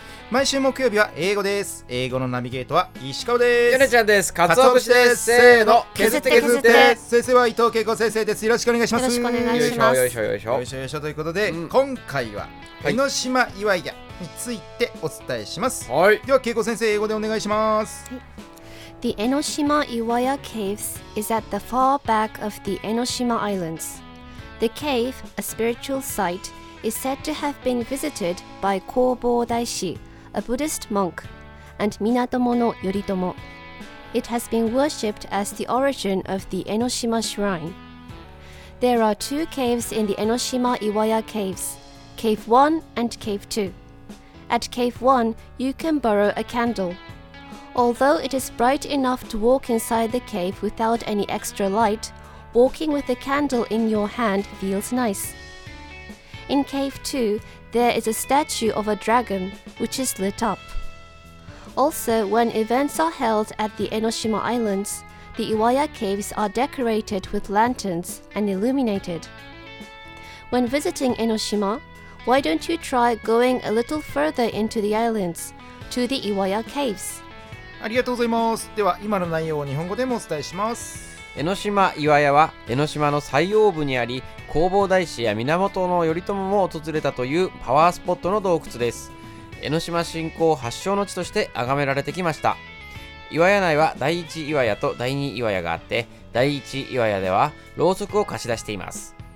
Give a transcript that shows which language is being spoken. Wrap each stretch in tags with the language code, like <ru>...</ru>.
<ja>毎週木曜日は英語です。英語のナビゲートは石川です。ヨネちゃんです。カツオ節です。せーの、削って削っ て先生は伊藤恵子先生です。よろしくお願いします。よろしくお願いします。よいしょよいしょよいしょよいしょ。ということで、うん、今回は江ノ島岩屋についてお伝えします、はい、では恵子先生英語でお願いします。</ja> <en>The Enoshima Iwaya Caves is at the far back of the Enoshima Islands. The cave, a spiritual site, is said to have been visited by Kobo Daishi, a Buddhist monk, and Minatomo no Yoritomo. It has been worshipped as the origin of the Enoshima Shrine. There are two caves in the Enoshima Iwaya Caves, Cave 1 and Cave 2. At Cave 1, you can borrow a candle. Although it is bright enough to walk inside the cave without any extra light, walking with a candle in your hand feels nice. In Cave 2, there is a statue of a dragon, which is lit up. Also, when events are held at the Enoshima Islands, the Iwaya Caves are decorated with lanterns and illuminated. When visiting Enoshima, why don't you try going a little further into the islands, to the Iwaya Caves?</en> <ja>ありがとうございます。では今の内容を日本語でもお伝えします。江ノ島岩屋は江ノ島の最奥部にあり、弘法大師や源頼朝も訪れたというパワースポットの洞窟です。江ノ島信仰発祥の地として崇められてきました。岩屋内は第一岩屋と第二岩屋があって、第一岩屋ではろうそくを貸し出しています。</ja>